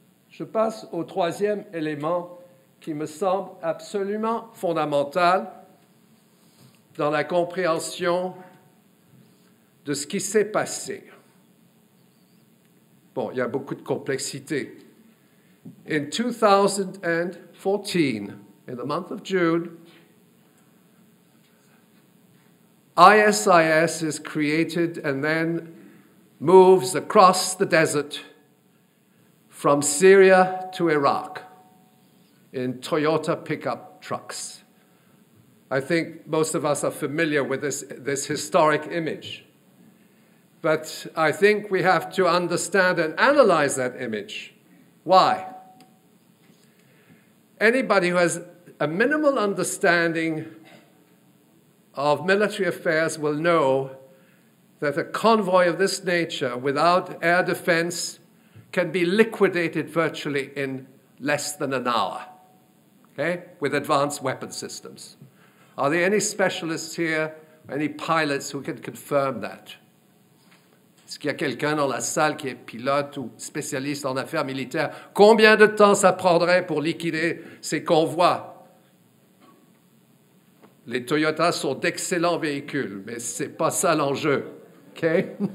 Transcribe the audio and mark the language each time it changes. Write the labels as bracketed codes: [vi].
[fr] Je passe au troisième élément qui me semble absolument fondamental dans la compréhension de ce qui s'est passé. Bon, il y a beaucoup de complexité. [en] In 2014, in the month of June, ISIS is created and then moves across the desert from Syria to Iraq in Toyota pickup trucks. I think most of us are familiar with this historic image. But I think we have to understand and analyze that image. Why? Anybody who has a minimal understanding of military affairs will know that a convoy of this nature without air defense can be liquidated virtually in less than an hour, okay, with advanced weapon systems. Are there any specialists here, any pilots who can confirm that? [fr] Est-ce qu'il y a quelqu'un dans la salle qui est pilote ou spécialiste en affaires militaires? Combien de temps ça prendrait pour liquider ces convois? Les Toyota sont d'excellents véhicules, mais ce n'est pas ça l'enjeu. [en] Okay?